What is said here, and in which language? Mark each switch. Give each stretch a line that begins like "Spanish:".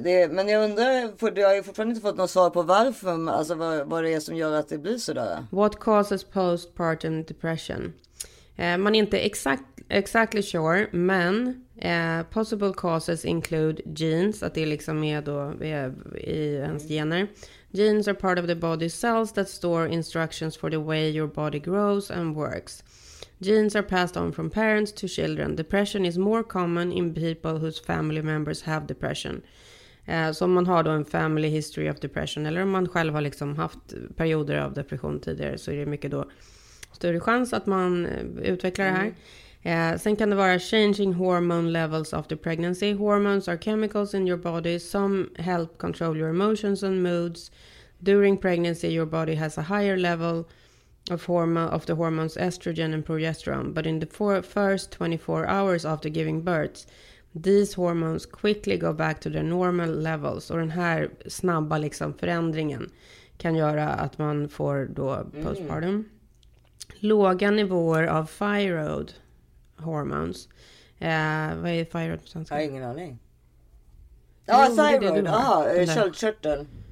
Swedish: Men jag undrar, för du har ju fortfarande inte fått något svar på varför, alltså vad det är som gör att det blir så där.
English: What causes postpartum depression?
Swedish: Man är inte
English: exactly sure,
Swedish: men
English: possible causes include genes,
Swedish: att det liksom är då i ens gener.
English: Genes are part of the body's cells that store instructions for the way your body grows and works. Genes are passed on from parents to children. Depression is more common in people whose family members have depression.
Swedish: Så om man har då en
English: family history of depression,
Swedish: eller om man själv har liksom haft perioder av depression tidigare, så är det mycket då större chans att man utvecklar det här. Sen kan det vara
English: changing hormone levels after pregnancy. Hormones are chemicals in your body. Some help control your emotions and moods. During pregnancy, your body has a higher level of the hormones estrogen and progesterone. But in the first 24 hours after giving birth, these hormones quickly go back to their normal levels.
Swedish: Och den här snabba liksom förändringen kan göra att man får då postpartum. Mm. Låga nivåer av thyroid hormones. Vad är thyroid på svenska? Jag har ingen aning. Ja, thyroid. Ja, köldkörteln.